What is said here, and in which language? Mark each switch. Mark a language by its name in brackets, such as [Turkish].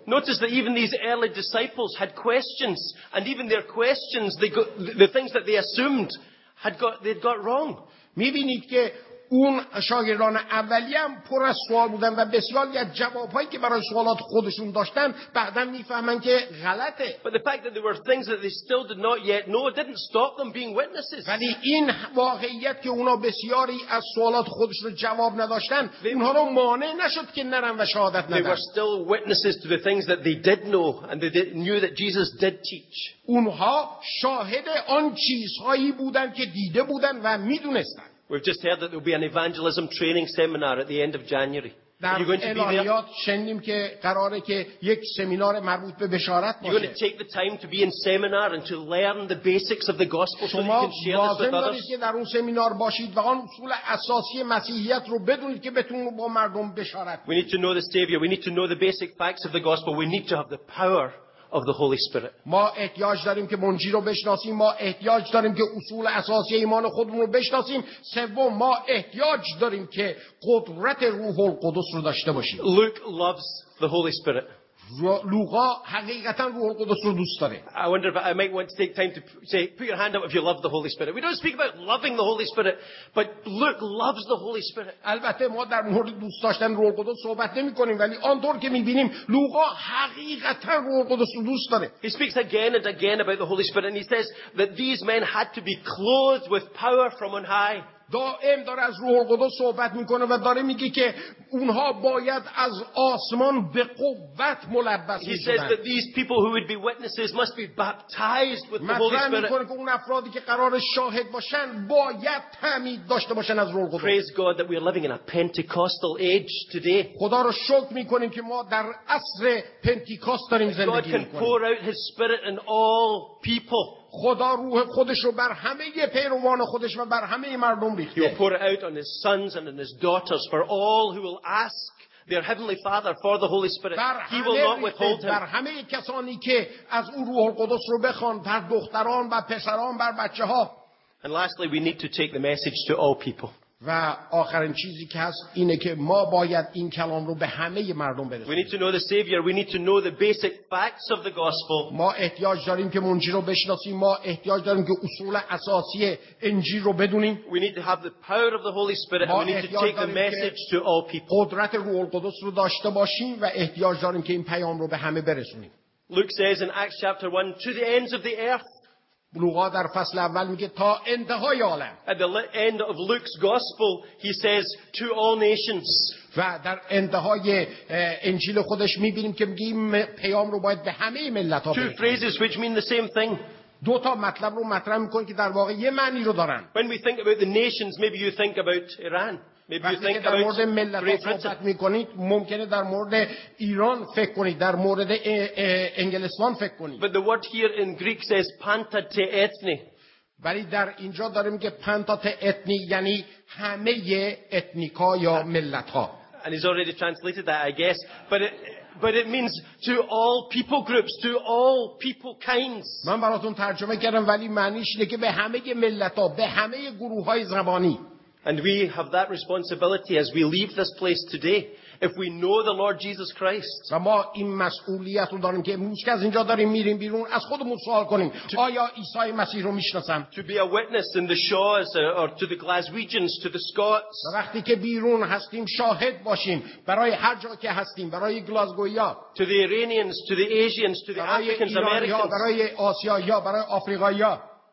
[English] Notice that even these early disciples had questions, and even their questions, they got the things that they assumed had got wrong. [Persian] میبینید که اون شاگردان اولیم پر از سوال بودن و بسیاری از جوابهایی که برای سوالات خودشون داشتن بعداً میفهمن که غلطه. [English] But the fact that there were things that they still did not yet know didn't stop them being witnesses. [Persian] ولی این واقعیت که اونا بسیاری از سوالات خودشون رو جواب نداشتن اونها رو مانع نشد که نرن و شهادت ندن. [English] They were still witnesses to the things that they did know and they knew that Jesus did teach. [Persian] اونها شاهد آن چیزهایی بودن که دیده بودن و میدونستن. [English] We've just heard that there will be an evangelism training seminar at the end of January. Are you going to be there? [Persian] شنیدیم که قراره که یک سمینار مربوط به بشارت باشه. [English] You're going to take the time to be in seminar and to learn the basics of the gospel so that you can share this with others. [Persian] شما لازم دارید که در اون سمینار باشید و آن اصول اساسی مسیحیت رو بدونید که بتونید با مردم بشارت. [English] We need to know the Savior. We need to know the basic facts of the gospel. We need to have the power of the Holy Spirit. [Persian] ما احتیاج داریم که منجی رو بشناسیم، ما احتیاج داریم که اصول اساسی ایمان خودمون رو بشناسیم، سوم ما احتیاج داریم که قدرت روح القدس رو داشته باشیم. [English] Luke loves the Holy Spirit. [Persian] لوقا حقیقتاً روح القدس رو دوست داره. [English] I wonder if I might want to take time to say put your hand up if you love the Holy Spirit. We don't speak about loving the Holy Spirit, but Luke loves the Holy Spirit. [Persian] البته ما در مورد دوست داشتن روح القدس صحبت نمی‌کنیم، ولی آنطور که می‌بینیم لوقا حقیقتاً روح القدس رو دوست داره. [English] He speaks again and again about the Holy Spirit and he says that these men had to be clothed with power from on high. [Persian] دائم داره از روح القدس صحبت میکنه و داره میگه که اونها باید از آسمان به قوت ملبس میشدن. [English] He says that these people who would be witnesses must be baptized with the Holy Spirit. [Persian] مطمئن میکنه که اون افرادی که قرار شاهد باشن باید تعمید داشته باشن از روح القدس. [English] Praise God that we are living in a Pentecostal age today. [Persian] خدا رو شکر میکنیم که ما در عصر پنتیکاست داریم زندگی میکنیم. [English] God can pour out His Spirit in all people. [Persian] خدا روح خودش رو بر همه پیروان خودش و بر همه مردم ریخته. [English] He will pour it out on his sons and on his daughters for all who will ask their heavenly Father for the Holy Spirit. He will not withhold him. [Persian] بر همه کسانی که از او روح القدس رو بخوان، بر دختران و پسران، بر بچه ها. [English] And lastly, we need to take the message to all people. [Persian] و آخرین چیزی که هست اینه که ما باید این کلام رو به همه مردم برسونیم. [English] We need to know the Savior. We need to know the basic facts of the gospel. [Persian] ما احتیاج داریم که منجی رو بشناسیم. ما احتیاج داریم که اصول اساسی انجیل رو بدونیم. [English] We need to have the power of the Holy Spirit. We need to take the message to all people. [Persian] قدرت روح القدس رو داشته باشیم و احتیاج داریم که این پیام رو به همه برسونیم. [English] Luke says in Acts chapter 1 to the ends of the earth. [Persian] لوقا در فصل اول میگه تا انتهای عالم. [English] At the end of Luke's gospel he says to all nations. [Persian] و در انتهای انجیل خودش میبینیم که میگه پیام رو باید به همه ملت ها برسونیم. [English] Two phrases which mean the same thing. [Persian] دو تا مطلب رو مطرح میکنه که در واقع یه معنی رو دارن. [English] When we think about the nations maybe you think about Iran. Maybe you think [Persian] در مورد ملت ها صحبت میکنید ممکنه در مورد ایران فکر کنید، در مورد انگلستان فکر کنید. [English] But the word here in Greek says [Greek] panta te ethne. [Persian] ولی در اینجا داریم که [Greek] panta te ethne [Persian] یعنی همه اتنیکا یا ملت ها. [English] And he's already translated that, I guess. But it means to all people groups, to all people kinds. [Persian] من براتون ترجمه کردم ولی معنیش اینه که به همه ملت ها، به همه گروه های زبانی. [English] And we have that responsibility as we leave this place today. If we know the Lord Jesus Christ. [Persian] و ما این مسئولیت رو داریم که امروز که از اینجا داریم میریم بیرون از خودمون سوال کنیم. آیا عیسی مسیح رو میشناسم؟ [English] To be a witness in the Shaws or to the Glaswegians, to the Scots. [Persian] وقتی که بیرون هستیم شاهد باشیم برای هر جا که هستیم، برای گلاسگویا. [English] To the Iranians, to the Asians, to the Africans, Americans. [Persian] برای آسیایی ها، برای آفریقایی ها.